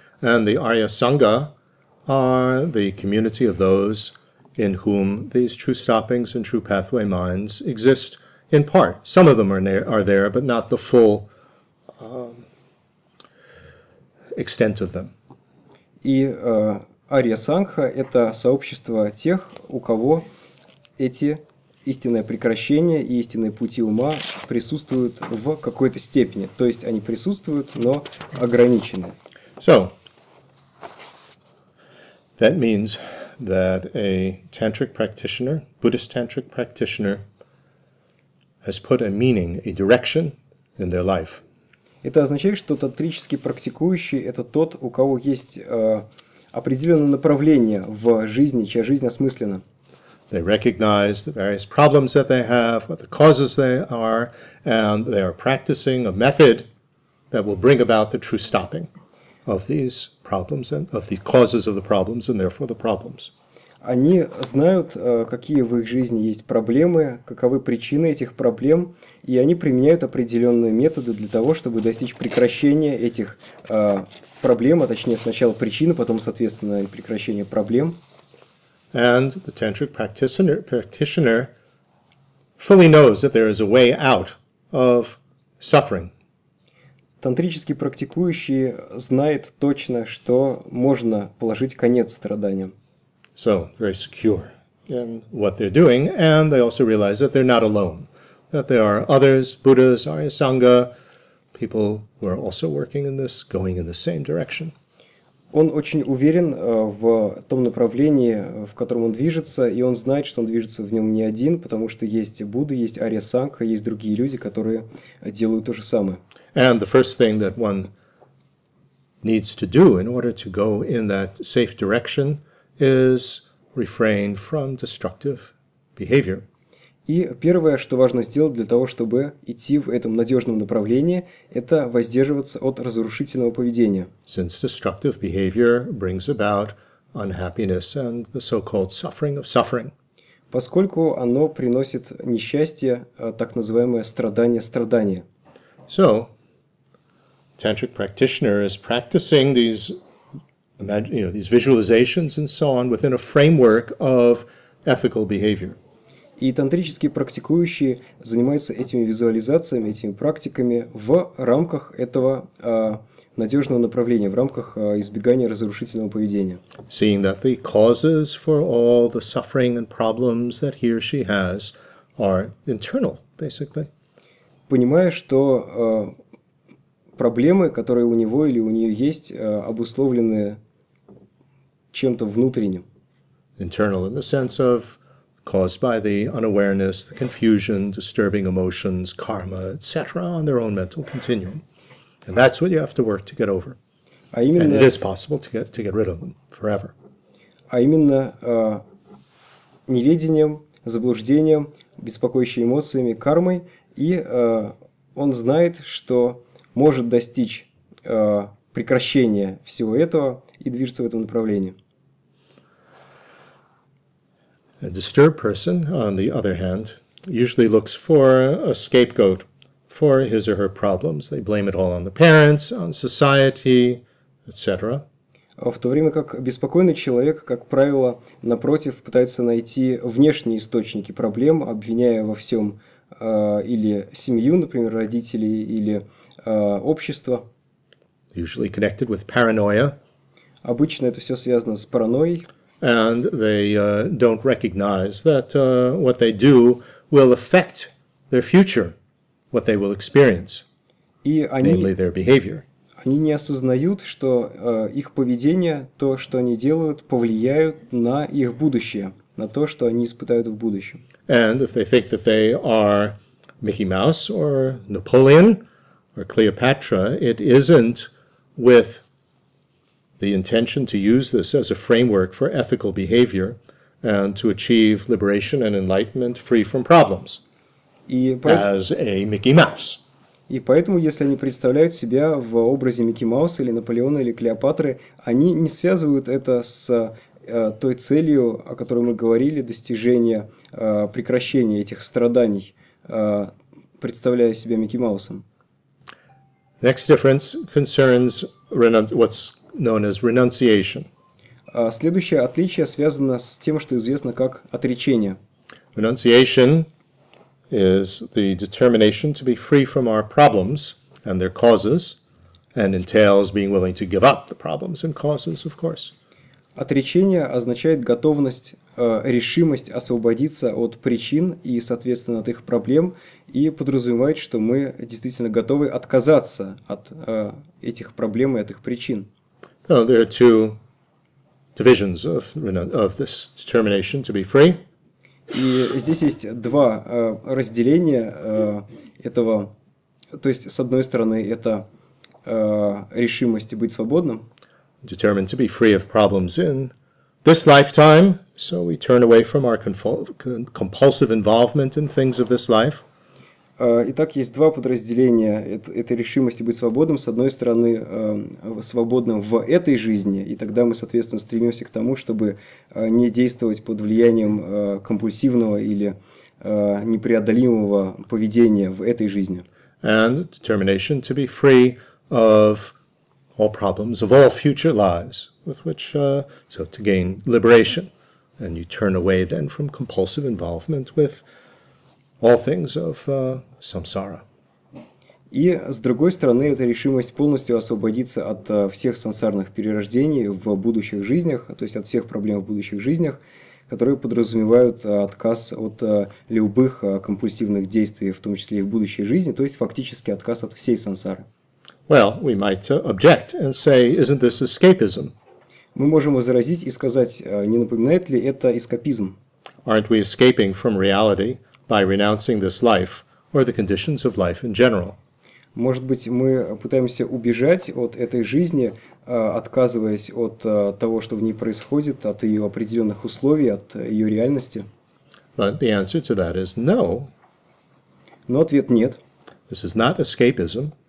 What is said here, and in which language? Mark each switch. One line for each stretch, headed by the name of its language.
English: And the Arya Sangha are the community of those in whom these true stoppings and true pathway minds exist in part. Some of them are there, but not the full extent of them.
Russian: И Ария Сангха – это сообщество тех, у кого эти истинные прекращения и истинные пути ума присутствуют в какой-то степени. То есть они присутствуют, но ограничены.
English: So, that means that a tantric practitioner, Buddhist tantric practitioner, has put a meaning, a direction in their life.
Russian: Это означает, что тантрический практикующий – это тот, у кого есть определенное направление в жизни, чья жизнь осмыслена.
English: They recognize the various problems that they have, what the causes they are, and they are practicing a method that will bring about the true stopping of these problems and of the causes of the problems and therefore the problems.
Russian: Они знают, какие в их жизни есть проблемы, каковы причины этих проблем, и они применяют определенные методы для того, чтобы достичь прекращения этих проблем, а точнее сначала причины, потом, соответственно, и прекращение проблем.
English: And the tantric practitioner fully knows that there is a way out of suffering.
Russian: Тантрический практикующий знает точно, что можно положить конец страданиям.
English: So, very secure in what they're doing, and they also realize that they're not alone, that there are others, Buddhas, Arya Sangha, people who are also working in this, going in the same direction.
Russian: Он очень уверен в том направлении, в котором он движется, и он знает, что он движется в нем не один, потому что есть Будды, есть Арья Сангха, есть другие люди, которые делают то же самое.
English: And the first thing that one needs to do in order to go in that safe direction is refrain from destructive behavior.
Russian: И первое, что важно сделать для того, чтобы идти в этом надежном направлении, это воздерживаться от разрушительного поведения.
English: Since destructive behavior brings about unhappiness and the so-called suffering of suffering.
Russian: Поскольку оно приносит несчастье, так называемое страдание страдания.
English: So, tantric practitioner is practicing these, imagine, you know, these visualizations and so on within a framework of ethical behavior.
Russian: И тантрические практикующие занимаются этими визуализациями, этими практиками в рамках этого надежного направления, в рамках избегания разрушительного поведения.
English: Seeing that the causes for all the suffering and problems that he or she has are internal, basically.
Russian: Понимая, что проблемы, которые у него или у нее есть, обусловлены чем-то внутренним.
English: Internal in the sense of caused by the unawareness, the confusion, disturbing emotions, karma, etc., on their own mental continuum. And that's what you have to work to get over. And it is possible to get rid of them forever.
Russian: А именно неведением, заблуждением, беспокоящими эмоциями, кармой. И он знает, что может достичь прекращения всего этого и движется в этом направлении.
English: A disturbed person, on the other hand, usually looks for a scapegoat for his or her problems. They blame it all on the parents, on society, etc.
Russian: В то время как беспокойный человек, как правило, напротив, пытается найти внешние источники проблем, обвиняя во всем или семью, например, родителей, или общество.
English: Usually connected with paranoia.
Russian: Обычно это все связано с паранойей.
English: And they don't recognize that what they do will affect their future, what they will experience, namely their behavior.
Russian: Они не осознают, что их поведение, то, что они делают, повлияют на их будущее, на то, что они испытают в будущем.
English: And if they think that they are Mickey Mouse or Napoleon or Cleopatra, it isn't with the intention to use this as a framework for ethical behavior and to achieve liberation and enlightenment free from problems, as a Mickey Mouse.
Russian: И поэтому, если они представляют себя в образе Микки Мауса или Наполеона или Клеопатры, они не связывают это с той целью, о которой мы говорили, достижение прекращения этих страданий, представляя себя Микки Маусом.
English: Next difference concerns what's known as renunciation.
Russian: Следующее отличие связано с тем, что известно как отречение.
English: Renunciation is the determination to be free from our problems and their causes, and entails being willing to give up the problems and causes, of course.
Russian: Отречение означает готовность, решимость освободиться от причин и, соответственно, от их проблем, и подразумевает, что мы действительно готовы отказаться от этих проблем и от их причин.
English: Well, there are two divisions of this determination to be free.
Russian: И здесь есть два разделения этого. То есть, с одной стороны, это решимость быть свободным.
English: Determined to be free of problems in this lifetime, so we turn away from our compulsive involvement in things of this life.
Russian: Итак, есть два подразделения этой решимости быть свободным. С одной стороны, свободным в этой жизни, и тогда мы, соответственно, стремимся к тому, чтобы не действовать под влиянием компульсивного или непреодолимого поведения в этой жизни.
English: And determination to be free of all problems of all future lives, with which, so to gain liberation. And you turn away then from compulsive involvement with all things of samsara.
Russian: И с другой стороны, это решимость полностью освободиться от всех сансарных перерождений в будущих жизнях, то есть от всех проблем в будущих жизнях, которые подразумевают отказ от любых компульсивных действий, в том числе и в будущей жизни, то есть фактически отказ от всей сансары.
English: Well, we might object and say, isn't this escapism?
Russian: Мы можем возразить и сказать, не напоминает ли это эскапизм?
English: Aren't we escaping from reality by renouncing this life or the conditions of life in general?
Russian: Может быть, мы пытаемся убежать от этой жизни, отказываясь от того, что в ней происходит, от ее определенных условий, от ее реальности?
English: But the answer to that is no.
Russian: Но ответ нет.
English: This is not escapism.